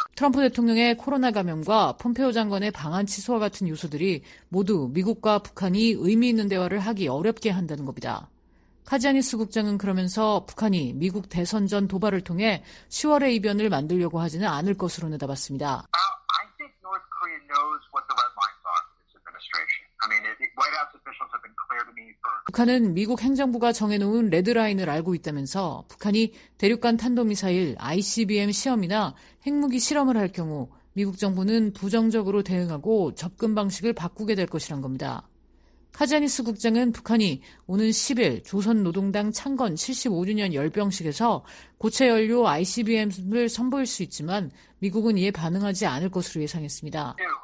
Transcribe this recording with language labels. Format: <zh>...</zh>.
<ko>트럼프 대통령의 코로나 감염과 폼페오 장관의 방한 취소와 같은 요소들이 모두 미국과 북한이 의미 있는 대화를 하기 어렵게 한다는 겁니다. 카지아니스 국장은 그러면서 북한이 미국 대선 전 도발을 통해 10월의 이변을 만들려고 하지는 않을 것으로 내다봤습니다.</ko> <en>I think North Korea knows what the red lines are for this administration. I mean, the White House officials have been clear to me for...</en> <ko>북한은 미국 행정부가 정해놓은 레드라인을 알고 있다면서 북한이 대륙간 탄도미사일 ICBM 시험이나 핵무기 실험을 할 경우 미국 정부는 부정적으로 대응하고 접근 방식을 바꾸게 될 것이란 겁니다. 카자니스 국장은 북한이 오는 10일 조선노동당 창건 75주년 열병식에서 고체 연료 ICBM을 선보일 수 있지만 미국은 이에 반응하지 않을 것으로 예상했습니다.</ko>